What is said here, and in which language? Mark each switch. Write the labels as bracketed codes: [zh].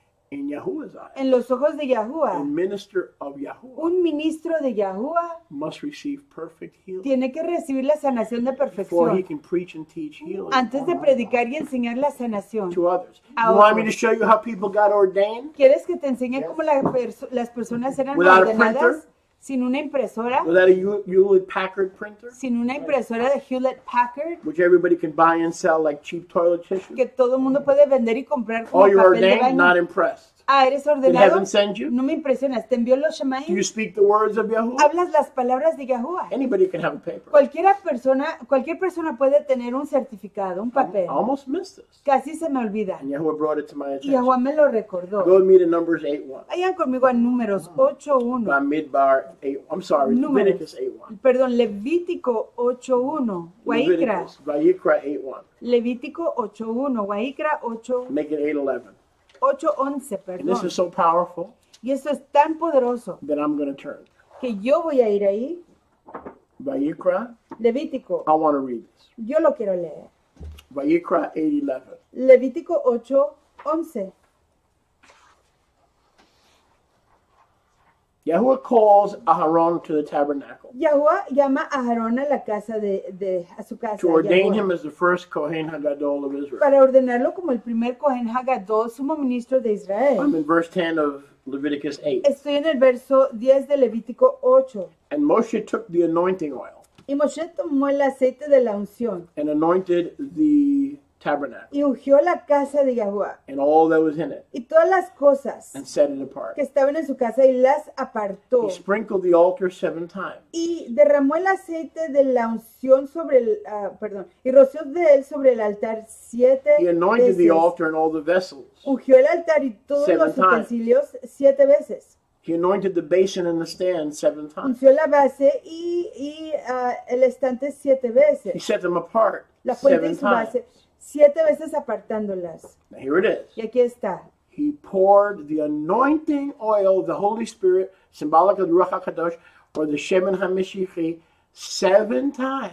[en] In Yahuwah's eyes. [es] En los ojos de Yahuwah. [en] A minister of Yahuwah. [es] Un ministro de Yahuwah. [en] Must receive perfect healing. [es] Tiene que recibir la sanación de perfección. [en] Before he can preach and teach healing. [es] Antes de predicar y enseñar la sanación. [en] To others. You want me to show you how people got ordained? [es] ¿Quieres que te enseñe cómo las personas eran [en] without [es] ordenadas? [en] Without a printer? [es] Sin una impresora. [en] Without a Hewlett-Packard printer. [es] Sin una impresora de Hewlett-Packard. [en] Which everybody can buy and sell like cheap toilet tissue. [es] Que todo el mundo puede vender y comprar como papel de baño. [en] Oh, you're ordained? Not impressed. [es] Ah, ¿eres ordenado? [en] Did heaven send you? [es] No me impresionas. ¿Te envió los Shemayim? [en] Do you speak the words of Yahuwah? [es] Hablas las palabras de Yahuwah. [en] Anybody can have a paper. [es] Cualquier persona puede tener un certificado, un papel. [en] I almost missed this. [es] Casi se me olvida. [en] And Yahuwah brought it to my attention. [es] Y Yahuwah me lo recordó. [en] Go with me to Numbers 8:1. [es] Vayan conmigo a Números 8:1. [en] By Midbar 8, I'm sorry, [es] Números. [en] Leviticus 8:1. [es] Perdón, Levítico 8:1. [he] Vayikra 8:1. [es] Levítico 8:1. Vayikra 8. [en] Make it 8:11. [es] 8:11, perdón. [en] And this is so powerful. [es] Y esto es tan poderoso. [en] That I'm going to turn. [es] Que yo voy a ir ahí. [he] Vayikra. [es] Levítico. [en] I want to read this. [es] Yo lo quiero leer. [he] Vayikra 8:11. [es] Levítico 8:11. [en] Yahuwah calls Aharon to the tabernacle. [es] Yahuwah llama a Aharon a la casa a su casa. [en] To ordain Yahuwah. Him as the first Kohen Hagadol of Israel. [es] Para ordenarlo como el primer Kohen Hagadol, sumo ministro de Israel. [en] I'm in verse 10 of Leviticus 8. [es] Estoy en el verso 10 de Levítico 8. [en] And Moshe took the anointing oil. [es] Y Moshe tomó el aceite de la unción. [en] And anointed the tabernacle. [es] Y ungió la casa de Yahuwah. [en] And all that was in it. [es] Y todas las cosas. [en] And set it apart. [es] Que estaban en su casa y las apartó. [en] He sprinkled the altar 7 times. [es] Y derramó el aceite de la unción sobre el, perdón, y roció de él sobre el altar 7 veces. [en] He anointed the altar and all the vessels. [es] Ungió el altar y todos los utensilios 7 veces. [en] He anointed the basin and the stand 7 times. [es] Ungió la base y el estante 7 veces. [en] He set them apart. [es] La fuente y su base. 7 veces apartándolas. [en] Now here it is. [es] Y aquí está. [en] He poured the anointing oil, the Holy Spirit, symbolic of the Ruach HaKadosh, or the Shemen HaMeshichi, 7 times.